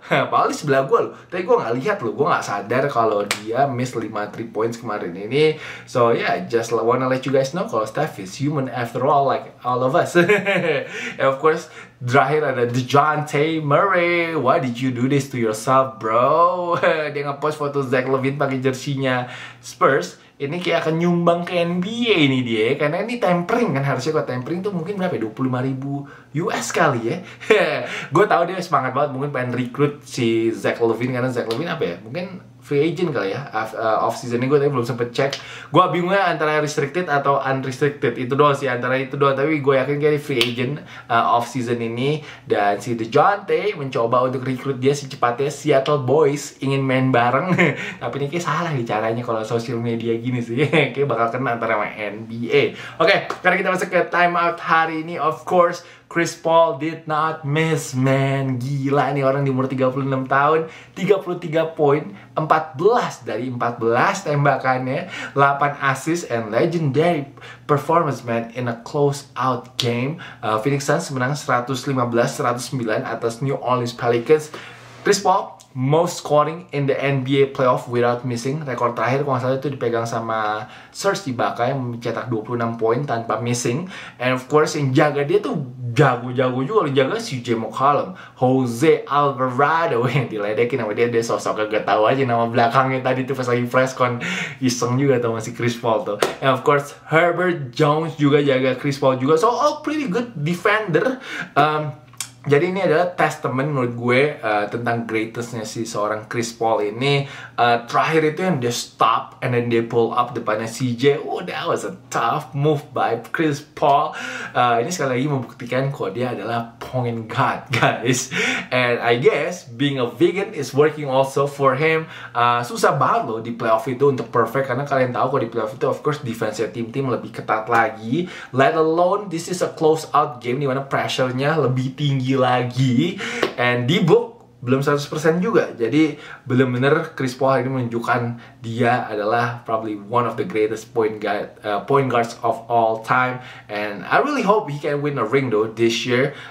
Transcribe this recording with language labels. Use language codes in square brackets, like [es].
[id] Padahal di sebelah gue loh, tapi gue gak lihat loh, gue gak sadar kalau dia miss 5 3 points kemarin ini. [en] So yeah, just wanna let you guys know [id] kalau [en] Steph is human after all, like all of us. And of course, [id] terakhir ada [en] DeJounte Murray. Why did you do this to yourself, bro? [id] Dia nge-post foto Zach LaVine pakai jersinya Spurs. Ini kayak akan nyumbang ke NBA ini dia. Karena ini tempering kan. Harusnya kalau tempering tuh mungkin berapa ya? 25.000 US kali ya. Gue tahu dia semangat banget. Mungkin pengen rekrut si Zach LaVine. Karena Zach LaVine apa ya? Mungkin free agent kali ya. Off-season ini gue tadi belum sempet cek. Gue bingungnya antara restricted atau unrestricted. Itu doang sih. Antara itu doang. Tapi gue yakin kayak free agent off-season ini. Dan si DeJounte mencoba untuk rekrut dia secepatnya. Seattle Boys ingin main bareng. Tapi ini kayak salah nih caranya kalau social media gini sih. Kayak bakal kena antara sama NBA. Oke. Okay, sekarang kita masuk ke Time Out hari ini. [en] Of course, Chris Paul did not miss, man. [id] Gila nih orang di umur 36 tahun. 33 poin, 14 dari 14 tembakannya, [en] 8 assist, and legendary performance, man, in a close-out game. [id] Phoenix Suns menang 115-109 atas New Orleans Pelicans. [en] Chris Paul, most scoring in the NBA playoff without missing. [id] Rekor terakhir kalau nggak salah itu dipegang sama Serge Ibaka yang mencetak 26 poin tanpa missing. [en] And of course [id] yang jaga dia tuh jago-jago juga. Yang jaga CJ McCollum, Jose Alvarado yang diledekin sama dia. Dia sosoknya gak tahu aja nama belakangnya tadi tuh pas lagi presscon. Iseng juga tuh masih Chris Paul tuh. [en] And of course [id] Herbert Jones juga jaga Chris Paul juga. [en] So all pretty good defender. [id] Jadi ini adalah testament menurut gue tentang greatness-nya si seorang Chris Paul ini. Terakhir itu yang dia stop [en] and then [id] dia pull up depannya CJ. [en] Oh, that was a tough move by Chris Paul. [id] Ini sekali lagi membuktikan kalau dia adalah point guard, guys. [en] And I guess being a vegan is working also for him. [id] Susah banget loh di playoff itu untuk perfect, karena kalian tahu kalau di playoff itu [en] of course [id] defense-nya tim-tim lebih ketat lagi. [en] Let alone this is a close out game [id] di mana pressure-nya lebih tinggi lagi, [en] and [id] di book belum 100% juga, jadi benar-benar Chris Paul hari ini menunjukkan dia adalah [en] probably one of the greatest point guards of all time, and I really hope he can win a ring though this year.